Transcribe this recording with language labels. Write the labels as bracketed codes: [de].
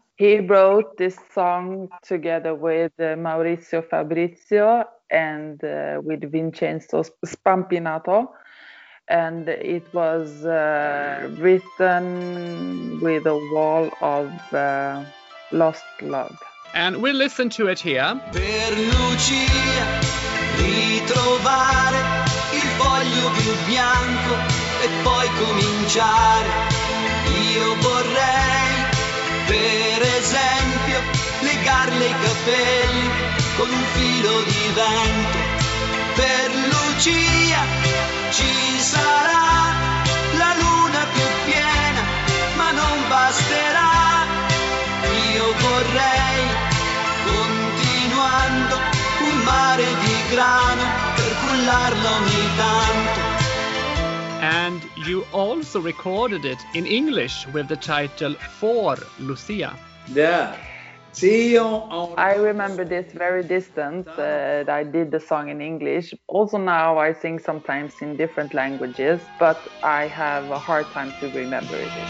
[en] He wrote this song together with Maurizio Fabrizio and with Vincenzo Spampinato. and it was written with a wall of lost love. And we'll listen to it here. [it] Per Lucia, ritrovare il foglio più bianco e poi cominciare. Io vorrei, per esempio, legarle i capelli con un filo di vento. Per Lucia ci sarà la luna più piena, ma non basterà. Io vorrei, continuando, un mare di grano per cullarla ogni tanto. [en] And you also recorded it in English with the title For Lucia. Yeah. I remember this very distant, I did the song in English. Also now I sing sometimes in different languages, but I have a hard time to remember it.